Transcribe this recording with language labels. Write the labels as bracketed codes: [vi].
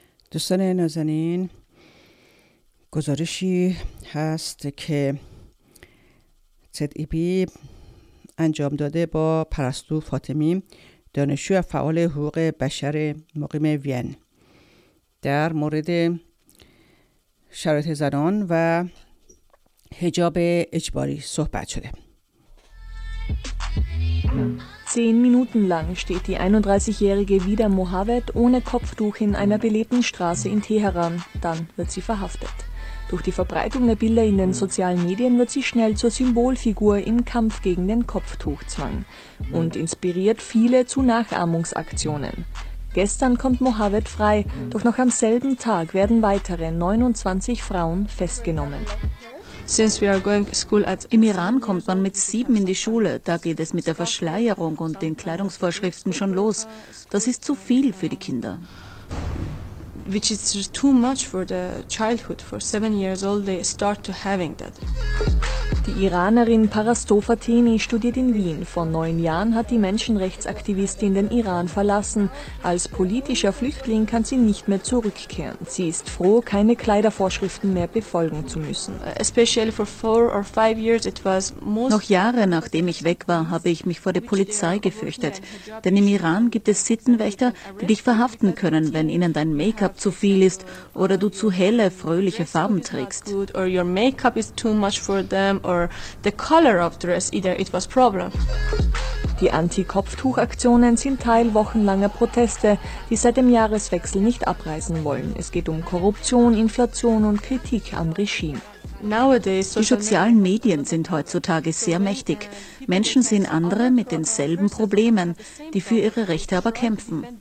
[fa] دوستان نازنین، گزارشی هست که تد ای بی انجام داده با پرستو فاطمی، دانشجو فعال حقوق بشر مقیم وین، در مورد شرایط زنان و حجاب اجباری صحبت شده. [de] 10 Minuten lang steht die 31-jährige Vida Mohavet ohne Kopftuch in einer belebten Straße in Teheran. Dann wird sie verhaftet. Durch die Verbreitung der Bilder in den sozialen Medien wird sie schnell zur Symbolfigur im Kampf gegen den Kopftuchzwang und inspiriert viele zu Nachahmungsaktionen. Gestern kommt Mohavet frei, doch noch am selben Tag werden weitere 29 Frauen festgenommen. [en] Since we are going to school at [de] Im Iran kommt man mit 7 in die Schule. Da geht es mit der Verschleierung und den Kleidungsvorschriften schon los. Das ist zu viel für die Kinder. [en] Which is too much for the childhood. For 7 years old they start to having that. [de] Die Iranerin Parastoh Fateni studiert in Wien. Vor 9 Jahren hat die Menschenrechtsaktivistin den Iran verlassen. Als politischer Flüchtling kann sie nicht mehr zurückkehren. Sie ist froh, keine Kleidervorschriften mehr befolgen zu müssen. [en] Especially for 4 or 5 years it was most. [de] Noch Jahre nachdem ich weg war, habe ich mich vor der Polizei gefürchtet. Denn im Iran gibt es Sittenwächter, die dich verhaften können, wenn ihnen dein Make-up zu viel ist oder du zu helle, fröhliche Farben trägst. [en] Or your make-up is too much for them. Or the color of dress, either it was problem. [de] Die Anti-Kopftuch-Aktionen sind Teil wochenlanger Proteste, die seit dem Jahreswechsel nicht abreißen wollen. Es geht um Korruption, Inflation und Kritik am Regime. Nowadays, die sozialen Medien sind heutzutage sehr mächtig. Menschen sehen andere mit denselben Problemen, die für ihre Rechte aber kämpfen.